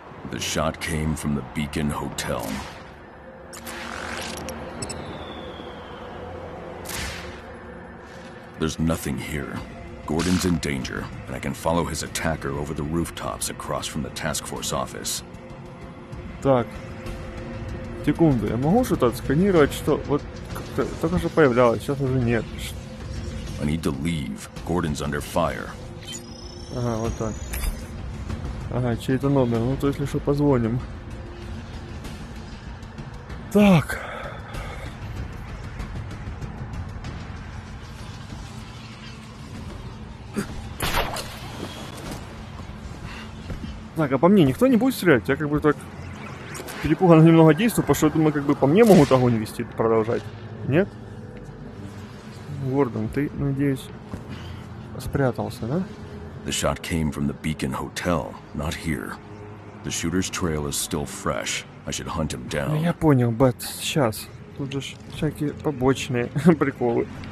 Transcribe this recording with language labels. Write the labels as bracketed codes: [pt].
[en] The shot came from the Beacon Hotel. There's nothing here. Gordon's in danger, and I can follow his attacker over the rooftops across from the task force office. [ru] Так. Секунду, я могу что-то отсканировать, что вот как-то только что появлялось, сейчас уже нет. [en] I need to leave. Gordon's under fire. [ru] Ага, вот так. Ага, чей-то номер, ну то если что, позвоним. Так. Так, а по мне никто не будет стрелять? Я как бы так перепуган немного действую, потому что думаю, как бы по мне могут огонь вести, продолжать. Нет? Гордон, ты, надеюсь, спрятался, да? [en] The shot came from the Beacon Hotel, not here. The shooter's trail is still fresh. I should hunt him down. [ru] Я понял, Бэт, сейчас. Тут же всякие побочные приколы.